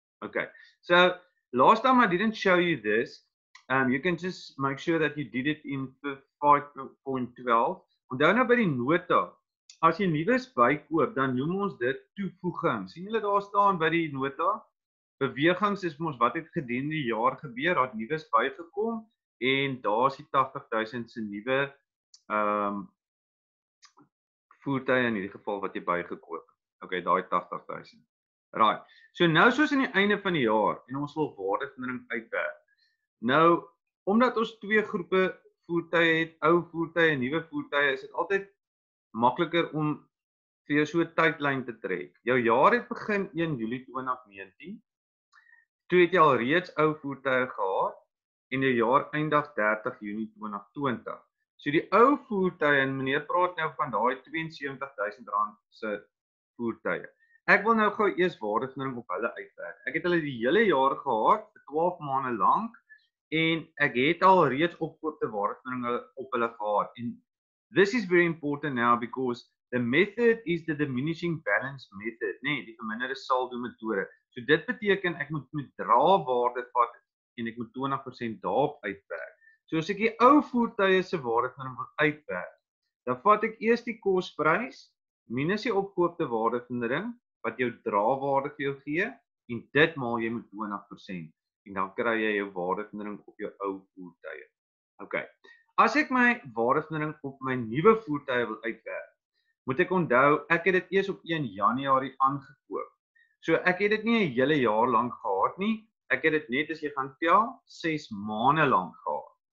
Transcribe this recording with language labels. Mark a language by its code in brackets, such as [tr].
[en] Okay, so last time I didn't show you this, you can just make sure that you did it in 5.12. [af] Onthou nou by die nota, as jy nuwes bykoop, dan noem ons dit toevoeging. Sien julle daar staan by die nota? Bewegings is ons wat het gedurende die jaar gebeur, dat nuwes bygekom en daar is die 80,000 se nuwe voertuie in hierdie geval wat jy bygekoop. Okay, daai 80,000. Right. So nou soos aan die einde van die jaar en ons wil waardevermindering uitwerk. Nou, omdat ons twee groepe voertuie het, ou voertuie en nuwe voertuie, is dit altyd makliker om vir jou so 'n tydlyn te trek. Jou jaar het begin 1 Julie 2019. Toe het jy al reeds ou voertuie gehad en jou jaar eindig 30 Junie 2020. So die ou voertuie, en meneer praat nou van daai R72,000 se voertuie. Ek wil nou gou eers waardevermindering op hulle uitwerk. Ek het hulle die hele jaar gehad, 12 maande lank en ek het al reeds opkoopte waardevermindering op hulle gehad. En [en] this is very important now because the method is the diminishing balance method, [af] nee, die verminderde saldo metode. So dit beteken ek moet met draawaarde vat en ek moet 20% daarop uitwerk. So as ek die ou voertuie se waarde van hom uitwerk, dan vat ek eers die kosprys minus die opkoopte waarde van die ding wat jou draawaarde vir jou gee en dit maal jy met 20% en dan kry jy jou waarde van die ding op jou ou voertuie. Okay. As ek my waarde van die ding op my nuwe voertuie wil uitwerk, moet ek onthou, ek het dit eers op 1 januari aangekoop. So ek het dit nie 'n hele jaar lank gehad nie, ek het dit net as jy gaan tel, 6 maande lank gehad.